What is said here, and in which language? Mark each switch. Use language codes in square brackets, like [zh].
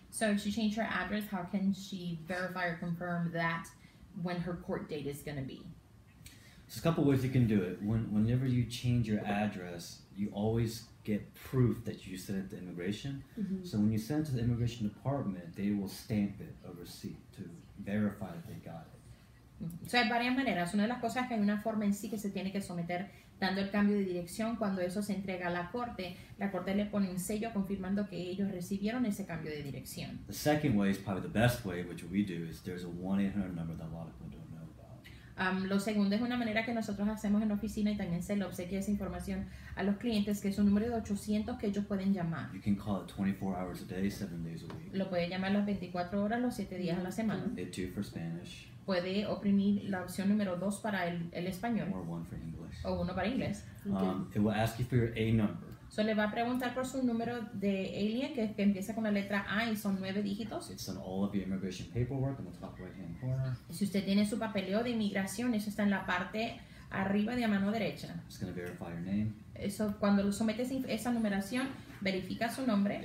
[en] So, if she changed her address, how can she verify or confirm that when her court date is going to be? There's a couple ways you can do it. Whenever you change your address, you always get proof that you sent it to immigration. Mm-hmm. So when you send it to the immigration department, they will stamp it, a receipt, to verify that they got it. [es] So, hay varias maneras. Una de las cosas es que hay una forma en sí que se tiene que someter dando el cambio de dirección. Cuando eso se entrega a la corte le pone un sello confirmando que ellos recibieron ese cambio de dirección. [en] The second way is probably the best way, which we do, is there's a 1-800 number that a lot of people don't know about. [es] Lo segundo es una manera que nosotros hacemos en la oficina y también se le obsequia esa información a los clientes, que es un número de 800 que ellos pueden llamar. [en] You can call it 24 hours a day, 7 days a week. [es] Lo puede llamar las 24 horas, los 7 días a la semana. [en] It too for Spanish. [es] Puede oprimir la opción número 2 para el español. [en] Or one for English. [es] O uno para inglés. [en] Okay. It will ask you for your A number. [es] So le va a preguntar por su número de alien que empieza con la letra A y son 9 dígitos. [en] It's on all of your immigration paperwork in the top right hand corner. [es] Si usted tiene su papeleo de inmigración, eso está en la parte arriba de la mano derecha. [en] It's going to verify your name. [es] Eso, cuando lo somete esa numeración, verifica su nombre.